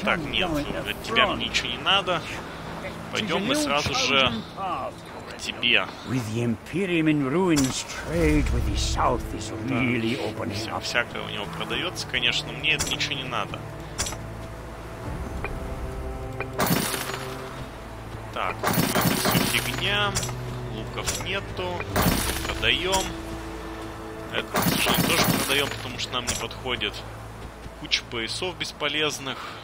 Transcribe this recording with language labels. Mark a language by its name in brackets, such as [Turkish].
[Russian] Так, нет, от тебя мне ничего не надо. Пойдем мы сразу же к тебе. [English] With the Imperium in ruins, trade with the south is really opening up. [Russian] Всякое у него продается, конечно, мне это ничего не надо. Так, все фигня. Луков нету. Продаем. Это совершенно тоже продаем, потому что нам не подходит. Куча поясов бесполезных.